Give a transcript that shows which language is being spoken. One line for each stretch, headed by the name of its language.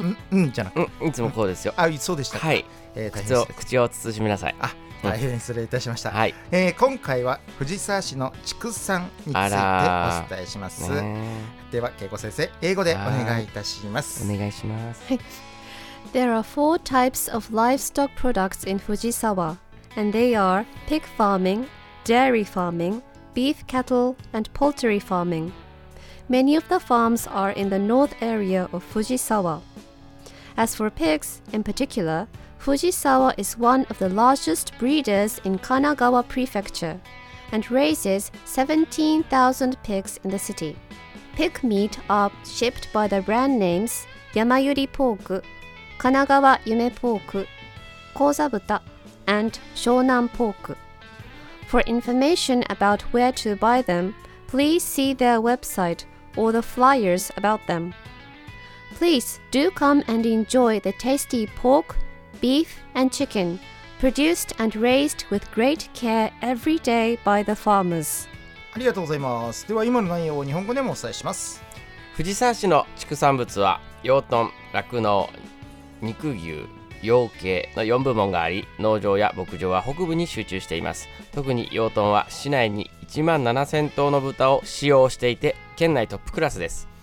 Japanese: うん、じゃなくて、うん、いつもこうですよ。あ、そうでしたか。はい、大変でした。口を慎みなさい。あ、大変失礼いたしました。はい、今回は藤沢市の畜産についてお伝えします。では恵子先生、英語でお願いいたします。お願いします。はい。
English: There are four types of livestock products in Fujisawa, and they are pig farming, dairy farming, beef cattle, and poultry farming. Many of the farms are in the north area of Fujisawa. As for pigs in particularFujisawa is one of the largest breeders in Kanagawa Prefecture and raises 17,000 pigs in the city. Pig meat are shipped by the brand names Yamayuri Pork, Kanagawa Yume Pork, Kozabuta, and Shonan Pork. For information about where to buy them, please see their website or the flyers about them. Please do come and enjoy the tasty pork,Beef and chicken, produced and raised with great care every day by the farmers.
Japanese: ありがとうございます。では今の内容を日本語でもお伝えします。藤沢市の畜産物は養豚、酪農、肉牛、養鶏の4部門があり、農場や牧場は北部に集中しています。特に養豚は市内に1万7000頭の豚を使用していて、県内トップクラスです。